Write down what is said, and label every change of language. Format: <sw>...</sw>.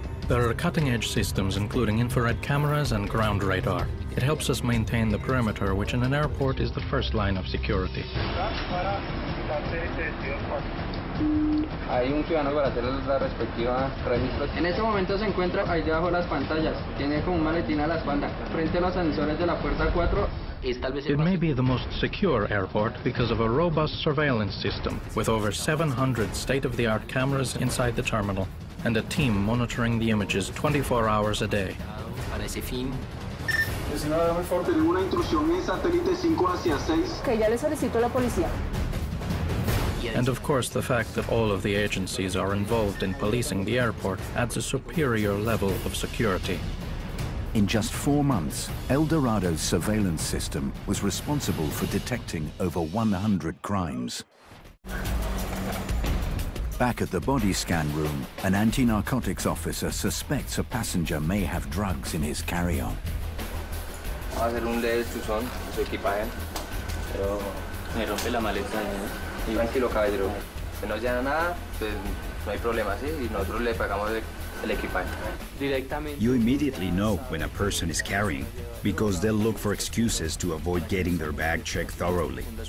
<en>There are cutting-edge systems, including infrared cameras and ground radar. It helps us maintain the perimeter, which in an airport is the first line of security.</en> <es>Hay un ciudadano para hacer la respectiva registro. En este momento se encuentra ahí debajo de las pantallas. Tiene como un maletín a la espalda, frente a los ascensores de la puerta 4.</es> <en>It may be the most secure airport because of a robust surveillance system with over 700 state-of-the-art cameras inside the terminal and a team monitoring the images 24 hours a day.</en> <es>Para ese fin. Tenemos una intrusión en satélite 5 hacia 6. Que ya le solicito a la policía.</es> <en>And of course, the fact that all of the agencies are involved in policing the airport adds a superior level of security. In just 4 months, El Dorado's surveillance system was responsible for detecting over 100 crimes. Back at the body scan room, an anti-narcotics officer suspects a passenger may have drugs in his carry-on.</en> <es>Va a hacer un leve chuzón en su equipaje, pero me rompe la maleta. Tranquilo, caballero. Si no llega nada, pues no hay problema, ¿sí? Y nosotros le pagamos el equipaje. Directamente.</es> <en>You immediately know when a person is carrying, because they'll look for excuses to avoid getting their bag checked thoroughly.</en>